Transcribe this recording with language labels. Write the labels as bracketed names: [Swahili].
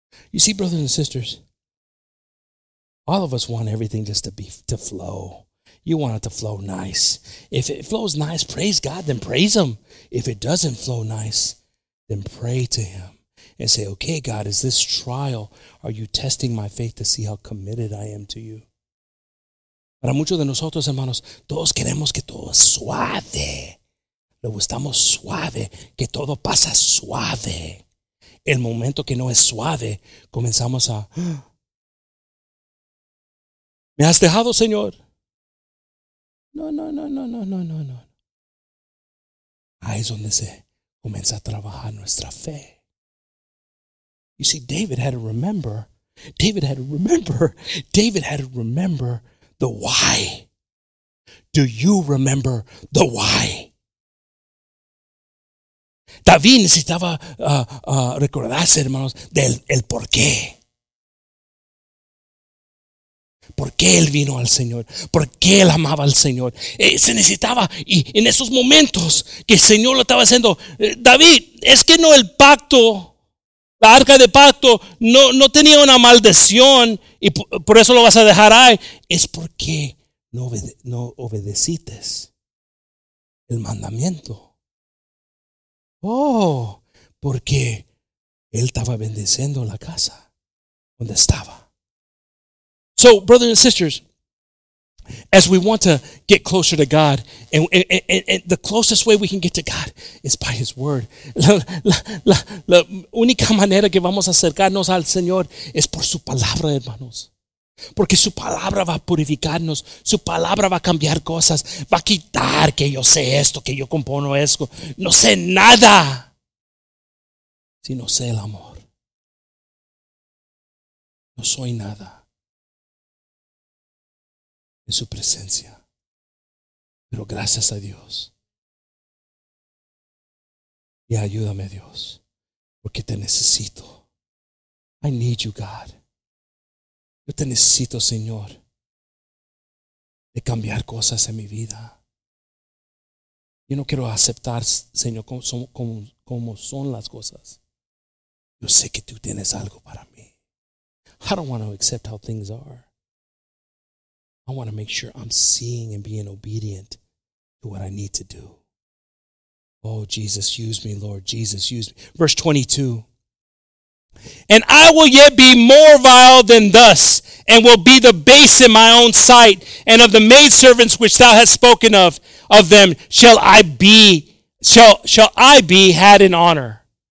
[English] You see, brothers and sisters, all of us want everything just to flow. You want it to flow nice. If it flows nice, praise God, then praise him. If it doesn't flow nice, then pray to him and say, okay, God, is this trial, are you testing my faith to see how committed I am to you? [Spanish] Para muchos de nosotros, hermanos, todos queremos que todo suave. Le gustamos suave, que todo pasa suave. El momento que no es suave, comenzamos a... ¿Me has dejado, Señor? No. Ahí es donde se comienza a trabajar nuestra fe. [English] You see, David had to remember the why. Do you remember the why? [Spanish] David necesitaba recordarse, hermanos, del el por qué. ¿Por qué él vino al Señor? ¿Por qué él amaba al Señor? Se necesitaba, y en esos momentos que el Señor lo estaba haciendo, David, es que no el pacto, la arca de pacto, no tenía una maldición, y por eso lo vas a dejar ahí. Es porque no obedeciste el mandamiento. Oh, porque él estaba bendiciendo la casa donde estaba. [English] So, brothers and sisters, as we want to get closer to God, and the closest way we can get to God is by his word. [Spanish] La única manera que vamos a acercarnos al Señor es por su palabra, hermanos. Porque su palabra va a purificarnos, su palabra va a cambiar cosas, va a quitar que yo sé esto, que yo compono esto. No sé nada, sino sé el amor. No soy nada en su presencia. Pero gracias a Dios. Y ayúdame, Dios, porque te necesito. [English] I need you, God. [Spanish] Yo te necesito, Señor, de cambiar cosas en mi vida. Yo no quiero aceptar, Señor, como son las cosas. Yo sé que tú tienes algo para mí. [English] I don't want to accept how things are. I want to make sure I'm seeing and being obedient to what I need to do. Oh, Jesus, use me, Lord. Jesus, use me. Verse 22. And I will yet be more vile than thus, and will be the base in my own sight, and of the maidservants which thou hast spoken of them, shall I be had in honor.